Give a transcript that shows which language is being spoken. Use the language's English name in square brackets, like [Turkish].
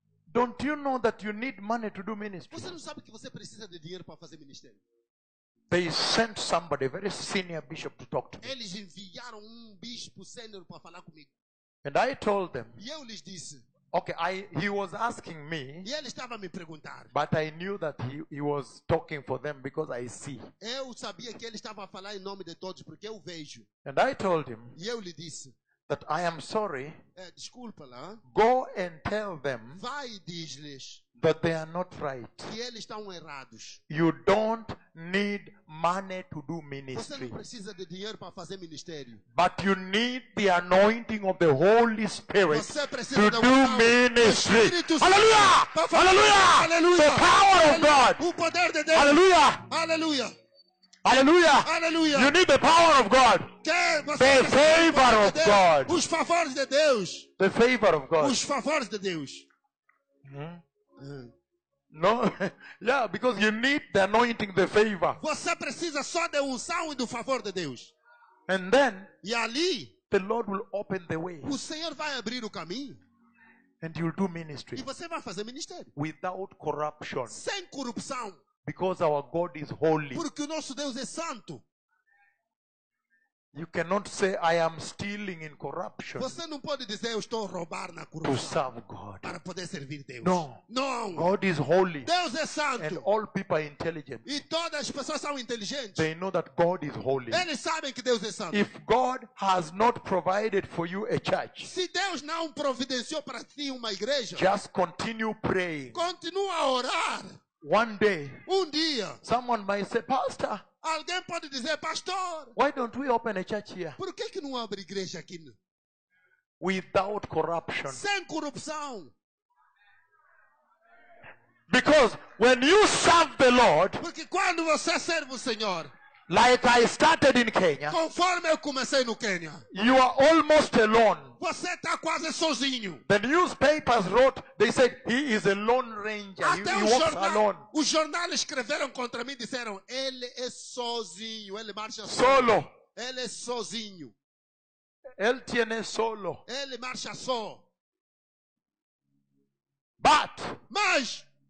[English] Don't you know that you need money to do ministry? [Portuguese] Você não sabe que você precisa de dinheiro para fazer ministério? [English] They sent somebody, a very senior bishop, to talk to me. [Portuguese] Eles enviaram um bispo sênior para falar comigo. [English] And I told them, [Portuguese] e eu lhes disse, [English] Okay, he was asking me. [Portuguese] E ele estava me perguntar. [English] But I knew that he was talking for them because I see. [Portuguese] Eu sabia que ele estava a falar em nome de todos porque eu vejo. [English] And I told him. [Portuguese] E eu lhe disse. [English] That I am sorry. [Portuguese] Desculpa-lá. [English] Go and tell them. [Portuguese] Vai diz-lhes. [English] That they are not right. [Portuguese] Que eles estão errados. [English] You don't need money to do ministry. [Portuguese] Você não precisa de dinheiro para fazer ministério. [English] But you need the anointing of the Holy Spirit. [Portuguese] Você precisa [English] to do ministry. Hallelujah! Hallelujah! Hallelujah! The power of God. [Portuguese] O poder de Deus. Hallelujah! Hallelujah! Hallelujah. Hallelujah! [English] You need the power of God. The favor of God. [Portuguese] Os favores de Deus. [English] The favor of God. [Portuguese] Os favores de Deus. [English] No, yeah, because you need the anointing, the favor. [Portuguese] Você precisa só da unção e do favor de Deus. [English] And then, [Portuguese] e ali, [English] the Lord will open the way. [Portuguese] O Senhor vai abrir o caminho. [English] And you'll do ministry. [Portuguese] E você vai fazer ministério. [English] Without corruption. [Portuguese] Sem corrupção. [English] Because our God is holy. [Portuguese] Porque o nosso Deus é santo. [English] You cannot say I am stealing in corruption. [Portuguese] Você não pode dizer eu estou a roubar na corrupção. [English] To serve God. [Portuguese] Para poder servir Deus. [English] No. No. God is holy. [Portuguese] Deus é santo. [English] And all people are intelligent. [Portuguese] E todas as pessoas são inteligentes. [English] They know that God is holy. [Portuguese] Eles sabem que Deus é santo. [English] If God has not provided for you a church. [Portuguese] Se Deus não providenciou para ti uma igreja. [English] Just continue praying. [Portuguese] Continua a orar. [English] One day, [Portuguese] um dia, [English] someone might say, Pastor, [Portuguese] alguém pode dizer, Pastor, [English] why don't we open a church here? [Portuguese] Por que que não abre igreja aqui? [English] Without corruption. [Portuguese] Sem corrupção. [English] Because when you serve the Lord, [Portuguese] porque quando você serve o Senhor, [English] like I started in Kenya, [Portuguese] conforme eu comecei no Kenya, [English] you are almost alone. [Portuguese] Você está quase sozinho. [English] The newspapers wrote, they said he is a lone ranger. [Portuguese] Até [English] he walks alone. [Portuguese] Os jornais escreveram contra mim, disseram ele é sozinho, ele marcha solo. Solo. Ele é sozinho. Ele [Spanish] tiene [Portuguese] solo. Ele marcha só. [English] But. [Portuguese] Mas.